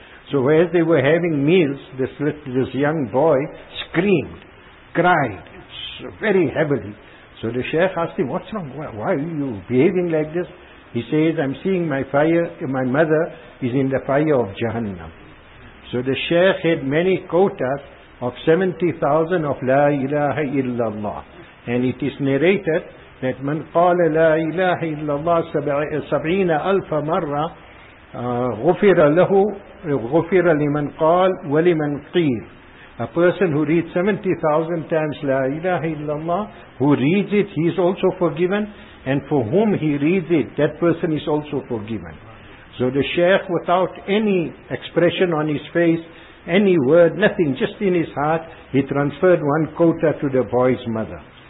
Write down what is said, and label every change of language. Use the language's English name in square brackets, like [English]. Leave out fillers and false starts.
[English] So as they were having meals, this young boy screamed, cried very heavily. So the Shaykh asked him, what's wrong? Why are you behaving like this? He says, I'm seeing my mother is in the fire of Jahannam. So the Shaykh had many quotas of 70,000 of La ilaha illallah. And it is narrated that [Arabic] من قال لا إله إلا الله 70,000 مرة غفر له غفر لمن قال ولمن قيل. [English] A person who reads 70,000 times La ilaha illallah, who reads it, he is also forgiven, and for whom he reads it, that person is also forgiven. So the Shaykh, without any expression on his face, any word, nothing, just in his heart, he transferred one quota to the boy's mother.